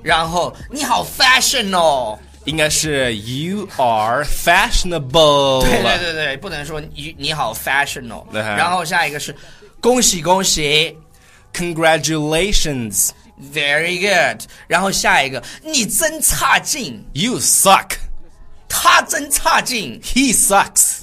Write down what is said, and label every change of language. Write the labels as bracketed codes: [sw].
[zh] 然后你好 fashion 哦。应该是 [en] you are fashionable。 [zh] 对，不能说 你好 fashionable、然后下一个是恭喜 [en] congratulations， very good。 [zh] 然后下一个你真差劲， [en] you suck， [zh] 他真差劲， [en] he sucks，